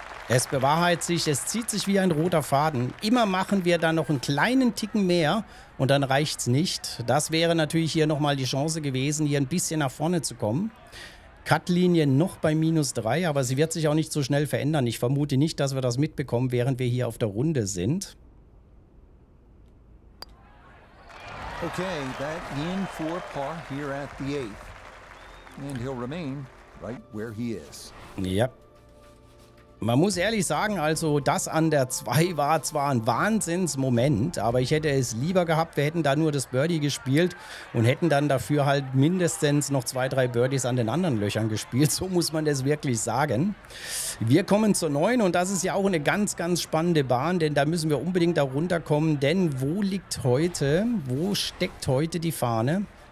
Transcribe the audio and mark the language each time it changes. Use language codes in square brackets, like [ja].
[de] Es bewahrheitet sich, es zieht sich wie ein roter Faden. Immer machen wir da noch einen kleinen Ticken mehr und dann reicht es nicht. Das wäre natürlich hier nochmal die Chance gewesen, hier ein bisschen nach vorne zu kommen. Cutlinie noch bei minus 3, aber sie wird sich auch nicht so schnell verändern. Ich vermute nicht, dass wir das mitbekommen, während wir hier auf der Runde sind. [en] Okay, that in for par here at the 8th. And he'll remain right where he is. [de] Ja. Man muss ehrlich sagen, also das an der 2 war zwar ein Wahnsinnsmoment, aber ich hätte es lieber gehabt, wir hätten da nur das Birdie gespielt und hätten dann dafür halt mindestens noch 2, 3 Birdies an den anderen Löchern gespielt. So muss man das wirklich sagen. Wir kommen zur 9 und das ist ja auch eine ganz, ganz spannende Bahn, denn da müssen wir unbedingt da runterkommen, denn wo liegt heute, wo steckt heute die Fahne?